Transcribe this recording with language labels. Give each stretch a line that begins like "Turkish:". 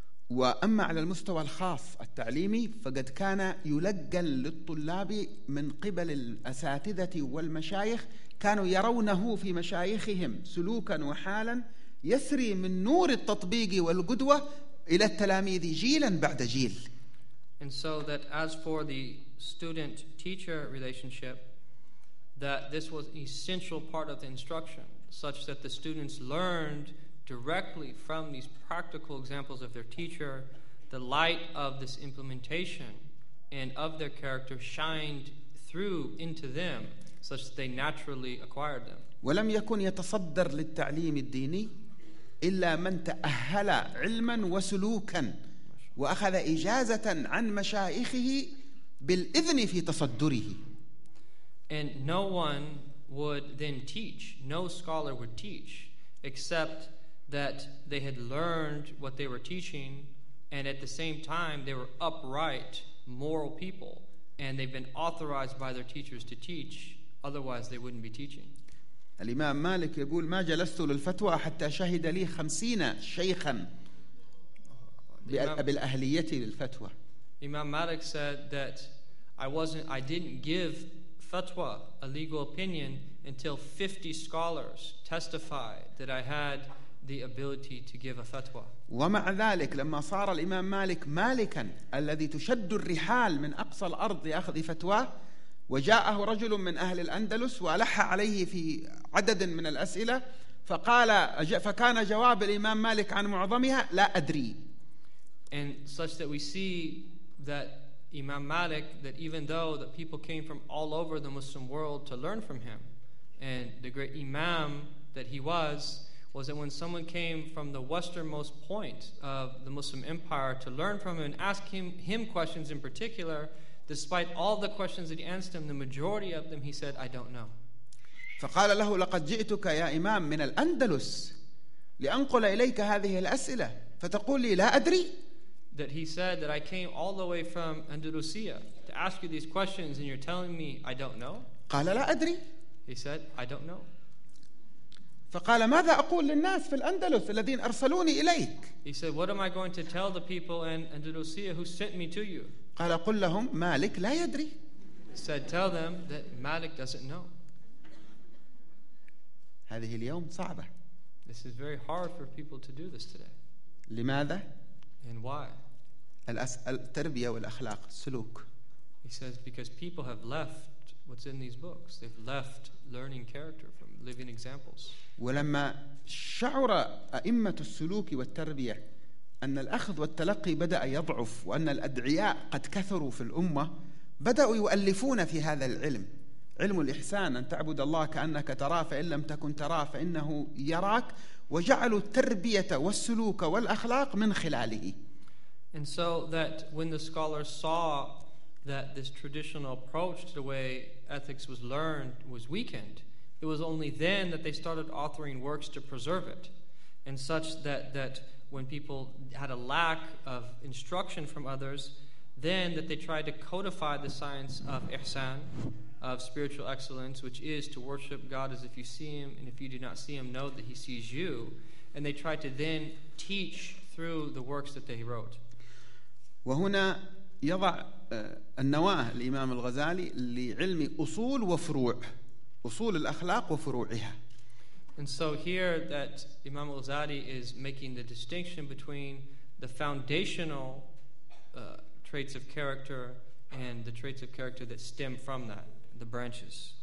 Arabic: وأما على المستوى الخاص التعليمي فقد كان يلقن للطلاب من قبل الأساتذة والمشايخ، كانوا يرونه في مشايخهم سلوكا وحالا يسري من نور التطبيق والقدوة إلى التلاميذ جيلا بعد جيل.
English: And so that as for the student-teacher relationship, that this was an essential part of the instruction, such that the students learned directly from these practical examples of their teacher, the light of this implementation and of their character shined through into them such that they naturally acquired them.
Arabic: ولم يكن يتصدر للتعليم الديني إلا من تأهل علما وسلوكا وأخذ إجازة عن مشايخه بالإذن في تصدره.
English: And no one would then teach, no scholar would teach except that they had learned what they were teaching, and at the same time they were upright, moral people, and they've been authorized by their teachers to teach, otherwise they wouldn't be teaching.
Arabic: الإمام مالك يقول ما جلست للفتوى حتى شهد لي 50 شيخا بالأهلية للفتوى.
English: Imam Malik said that I didn't give fatwa, a legal opinion, until 50 scholars testified that I had the ability to give a fatwa.
Arabic: ومع ذلك لما صار الإمام مالك مالكا الذي تشد الرحال من أقصى الأرض لأخذ فتوى وجاءه رجل من أهل الأندلس وألح عليه في عدد من الأسئلة فقال فكان جواب الإمام مالك عن معظمها لا أدري.
English: And such that we see that Imam Malik, that even though the people came from all over the Muslim world to learn from him, and the great Imam that he was that when someone came from the westernmost point of the Muslim empire to learn from him and ask him questions in particular, despite all the questions that he asked him, the majority of them he said, I don't know.
Arabic: فقال له لقد جئتك يا إمام من الأندلس لأنقل إليك هذه الأسئلة فتقول لي لا أدري.
English: That he said that I came all the way from Andalusia to ask you these questions and you're telling me I don't know.
Arabic: قال لا أدري.
English: He said I don't know.
Arabic: فقال ماذا أقول للناس في الأندلس الذين أرسلوني إليك.
English: He said what am I going to tell the people in Andalusia who sent me to you.
Arabic: قال قل لهم مالك لا يدري.
English: He said tell them that Malik doesn't know.
Arabic: هذه اليوم صعبة.
English: This is very hard for people to do this today.
Arabic: لماذا؟
English: And why?
Arabic: التربية والأخلاق سلوك.
English: He says because people have left what's in these books. They've left learning character from living examples.
Arabic: ولما شعر أئمة السلوك والتربية أن الأخذ والتلقي بدأ يضعف وأن الأدعياء قد كثروا في الأمة بدأوا يؤلفون في هذا العلم. علم الإحسان أن تعبد الله كأنك تراه فإن لم تكن تراه فإنه يراك وجعلوا التربية والسلوك والأخلاق من خلاله.
English: And so that when the scholars saw that this traditional approach to the way ethics was learned was weakened, it was only then that they started authoring works to preserve it. And such that when people had a lack of instruction from others, then that they tried to codify the science of Ihsan, of spiritual excellence, which is to worship God as if you see him, and if you do not see him, know that he sees you. And they tried to then teach through the works that they wrote.
Arabic: وهنا يضع النواة الإمام الغزالي لعلم أصول وفروع أصول الأخلاق وفروعها.
English: And so here that Imam al-Ghazali is making the distinction between the foundational traits of character and the traits of character that stem from that, the branches.